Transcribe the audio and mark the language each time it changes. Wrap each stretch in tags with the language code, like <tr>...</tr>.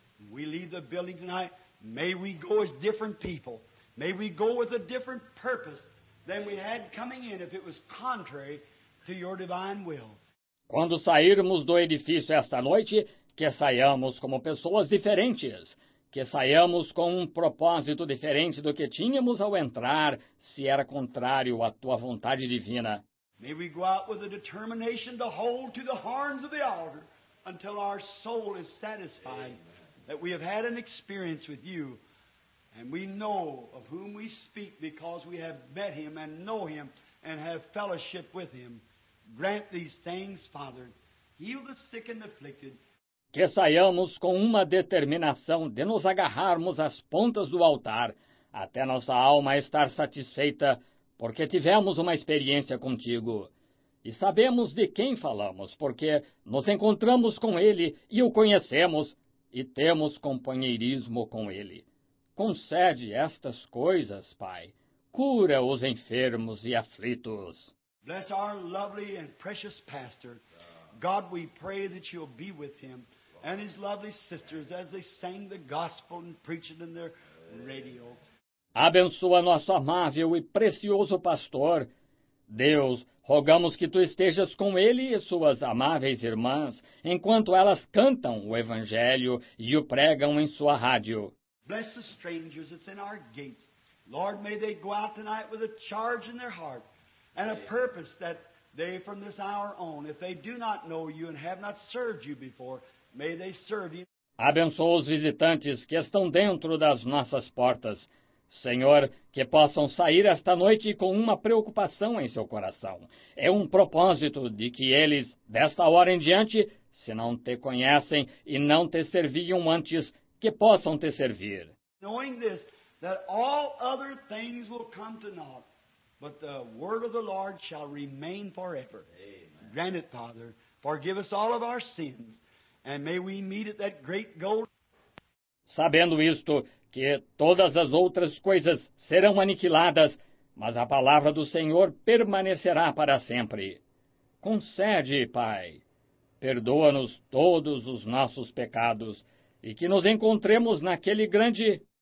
<en>We leave the building tonight. May we go as different people. May we go with a different purpose than we had coming in if it was contrary to Your divine will.</en> <pt>Quando sairmos do edifício esta noite, que saiamos como pessoas diferentes, que saiamos com um propósito diferente do que tínhamos ao entrar, se era contrário à Tua vontade divina.</pt> <en>May we go out with a determination to hold to the horns of the altar until our soul is satisfied that we have had an experience with You and we know of whom we speak because we have met Him and know Him and have fellowship with Him. Grant these things, Father. Heal the sick and afflicted.</en> <pt>Que saiamos com uma determinação de nos agarrarmos às pontas do altar, até nossa alma estar satisfeita, porque tivemos uma experiência contigo. E sabemos de quem falamos, porque nos encontramos com Ele e o conhecemos, e temos companheirismo com Ele. Concede estas coisas, Pai. Cura os enfermos e aflitos.</pt> <en>Bless our lovely and precious pastor. God, we pray that You'll be with him and his lovely sisters as they sang the gospel and preached it in their radio.</en> <pt>Abençoa nosso amável e precioso pastor. Deus, rogamos que Tu estejas com ele e suas amáveis irmãs, enquanto elas cantam o Evangelho e o pregam em sua rádio.</pt> <en>Bless the strangers that's in our gates. Lord, may they go out tonight with a charge in their heart and a purpose that they, from this hour on, if they do not know You and have not served You before, may they serve You.</en> <pt>Abençoa os visitantes que estão dentro das nossas portas. Senhor, que possam sair esta noite com uma preocupação em seu coração. É um propósito de que eles, desta hora em diante, se não te conhecem e não te serviam antes, que possam te servir.</pt> <en>Knowing this, that all other things will come to naught, but the word of the Lord shall remain forever. Amen. Grant it, Father. Forgive us all of our sins. And may we meet at that great goal.</en> <pt>Sabendo isto, que todas as outras coisas serão aniquiladas, mas a palavra do Senhor permanecerá para sempre. Concede, Pai, perdoa-nos todos os nossos pecados e que nos encontremos naquele grande...</pt>